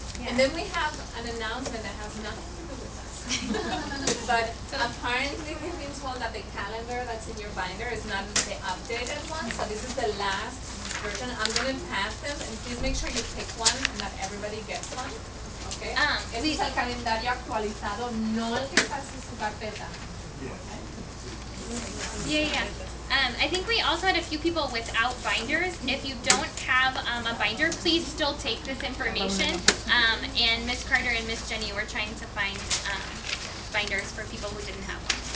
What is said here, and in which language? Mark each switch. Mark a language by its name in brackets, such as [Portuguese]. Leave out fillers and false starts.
[English] And then we have an announcement that has nothing to do with us. But apparently we've been told that the calendar that's in your binder is not the updated one, so this is the last version. I'm going to pass them, and please make sure you pick one and that everybody gets one, okay? [Spanish] Sí. Es el calendario actualizado, no el que está en su carpeta. [English] Yeah, yeah. I think we also had a few people without binders. If you don't have a binder, please still take this information. And Ms. Carter and Ms. Jenny were trying to find binders for people who didn't have one.